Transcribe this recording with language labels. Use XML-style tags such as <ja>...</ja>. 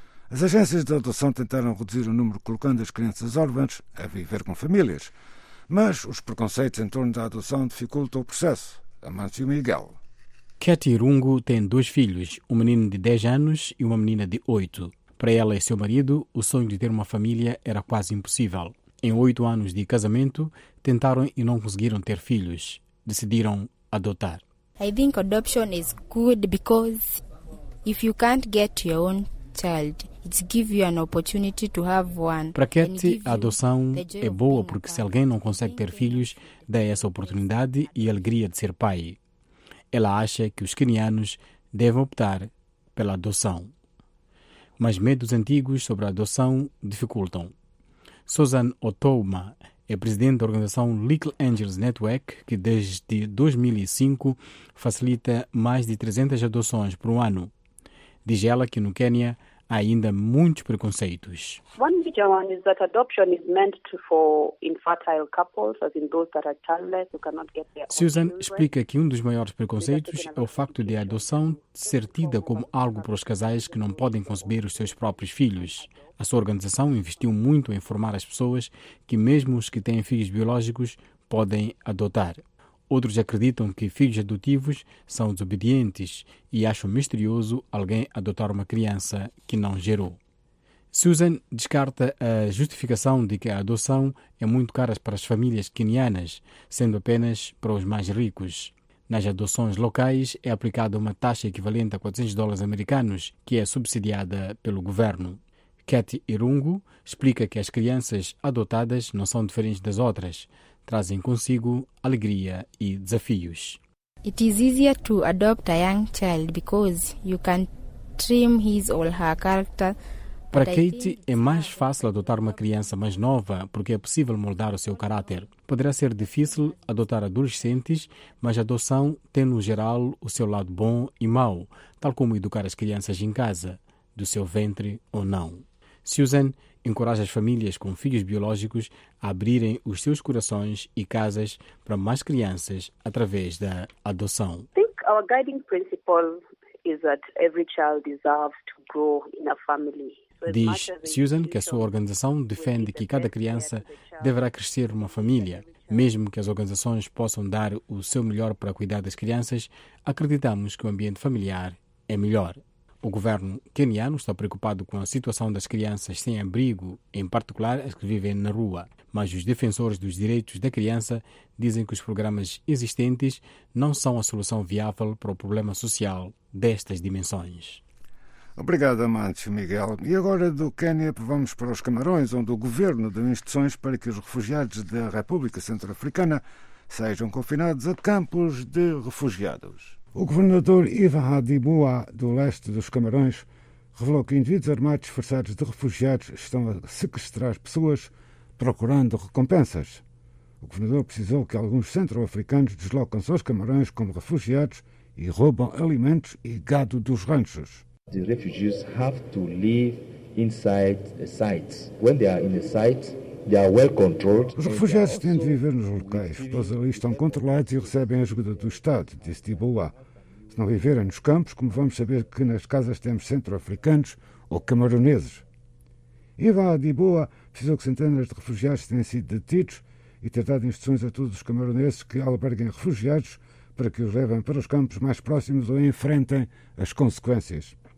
<pt>As agências de adoção tentaram reduzir o número colocando as crianças órfãs a viver com famílias, mas os preconceitos em torno da adoção dificultam o processo. Amancio Miguel. Cathy Irungu tem dois filhos, um menino de 10 anos e uma menina de 8. Para ela e seu marido, o sonho de ter uma família era quase impossível. Em 8 anos de casamento, tentaram e não conseguiram ter filhos. Decidiram adotar.</pt> <en>I think adoption is good because if you can't get your own child, it gives you an opportunity to have one.</en> <pt>Para Cathy, a adoção é boa porque se alguém não consegue ter filhos, dá essa oportunidade e alegria de ser pai. Ela acha que os quenianos devem optar pela adoção. Mas medos antigos sobre a adoção dificultam. Susan Otouma é presidente da organização Little Angels Network, que desde 2005 facilita mais de 300 adoções por um ano. Diz ela que no Quênia há ainda muitos preconceitos.</pt> <en>One major one is that adoption is meant for infertile couples, as in those that are childless who cannot get their own.</en> <pt>Susan explica que um dos maiores preconceitos é o facto de a adoção ser tida como algo para os casais que não podem conceber os seus próprios filhos. A sua organização investiu muito em informar as pessoas que mesmo os que têm filhos biológicos podem adotar. Outros acreditam que filhos adotivos são desobedientes e acham misterioso alguém adotar uma criança que não gerou. Susan descarta a justificação de que a adoção é muito cara para as famílias quenianas, sendo apenas para os mais ricos. Nas adoções locais é aplicada uma taxa equivalente a $400, que é subsidiada pelo governo. Cathy Irungu explica que as crianças adotadas não são diferentes das outras, trazem consigo alegria e desafios.</pt> <en>It is easier to adopt a young child because you can trim his or her character.</en> <pt>Para Kate, é mais fácil adotar uma criança mais nova porque é possível moldar o seu caráter. Poderá ser difícil adotar adolescentes, mas a adoção tem no geral o seu lado bom e mau, tal como educar as crianças em casa, do seu ventre ou não. Susan encoraja as famílias com filhos biológicos a abrirem os seus corações e casas para mais crianças através da adoção.</pt> <en>I think our guiding principle is that every child deserves to grow in a family.</en> <pt>Diz Susan que a sua organização defende que cada criança deverá crescer numa família. Mesmo que as organizações possam dar o seu melhor para cuidar das crianças, acreditamos que o ambiente familiar é melhor. O governo queniano está preocupado com a situação das crianças sem abrigo, em particular as que vivem na rua. Mas os defensores dos direitos da criança dizem que os programas existentes não são a solução viável para o problema social destas dimensões. Obrigado, Amantes Miguel. E agora do Quênia vamos para os Camarões, onde o governo deu instruções para que os refugiados da República Centro-Africana sejam confinados a campos de refugiados. O governador Ivan Hadimoua, do leste dos Camarões, revelou que indivíduos armados disfarçados de refugiados estão a sequestrar pessoas procurando recompensas. O governador precisou que alguns centro-africanos deslocam-se aos Camarões como refugiados e roubam alimentos e gado dos ranchos.</pt> <en>The refugees have to live inside the sites. When they are in the site, they are well controlled.</en> <pt>Os refugiados têm de viver nos locais, pois ali estão controlados e recebem a ajuda do Estado, disse Dibuá. Se não viverem nos campos, como vamos saber que nas casas temos centro-africanos ou camaroneses? Ivan Dibuá precisou que centenas de refugiados tenham sido detidos e ter dado instruções a todos os camaroneses que alberguem refugiados para que os levem para os campos mais próximos ou enfrentem as consequências.</pt>